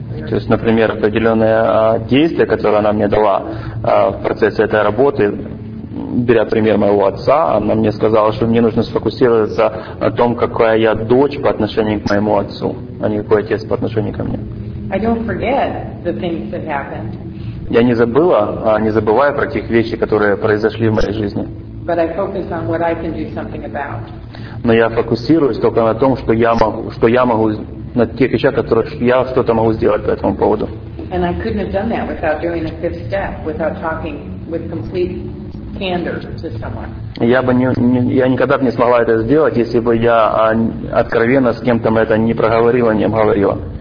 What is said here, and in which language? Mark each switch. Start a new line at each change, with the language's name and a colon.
Russian: То есть, например, определенное действие, которое она мне дала в процессе этой работы, беря пример моего отца, она мне сказала, что мне нужно сфокусироваться на том, какая я дочь по отношению к моему отцу, а не какой отец по отношению ко мне.
English: I don't forget the things that happened.
Russian: Я не забыла, не забываю про тех вещи, которые произошли в моей жизни.
English: But I focus on what I can do something about.
Russian: Но я фокусируюсь только на том, что я могу, на тех вещах, которые я что-то могу сделать по этому поводу.
English: And I couldn't have done that without doing a fifth step, without talking with complete
Russian: Я бы никогда бы не смогла это сделать, если бы я откровенно с кем-то это не проговорила, не обговорила.